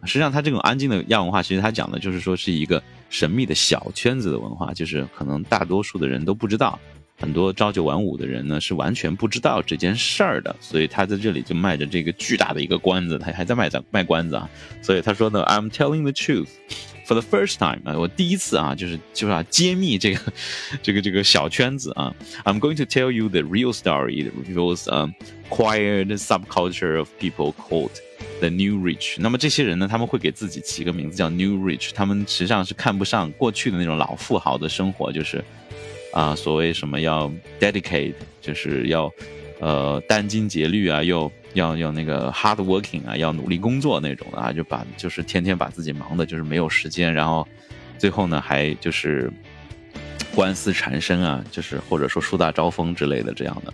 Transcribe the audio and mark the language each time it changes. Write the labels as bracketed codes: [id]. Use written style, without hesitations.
[zh] 实际上它这种安静的亚文化，其实它讲的就是说是一个神秘的小圈子的文化，就是可能大多数的人都不知道，很多朝九晚五的人呢是完全不知道这件事儿的，所以他在这里就卖着这个巨大的一个关子，他还在卖关子啊。所以他说呢 ， [en] I'm telling the truth for the first time， [zh] 我第一次啊，就是揭秘这个小圈子啊。 [en] I'm going to tell you the real story. It reveals a quiet subculture of people called the new rich。 [zh] 那么这些人呢，他们会给自己起个名字叫 new rich， 他们实际上是看不上过去的那种老富豪的生活，就是。所谓什么要 dedicate， 就是要殚精竭虑啊，又要那个 hard working 啊，要努力工作那种的啊，就是天天把自己忙的就是没有时间，然后最后呢还就是官司缠身啊，就是或者说树大招风之类的这样的。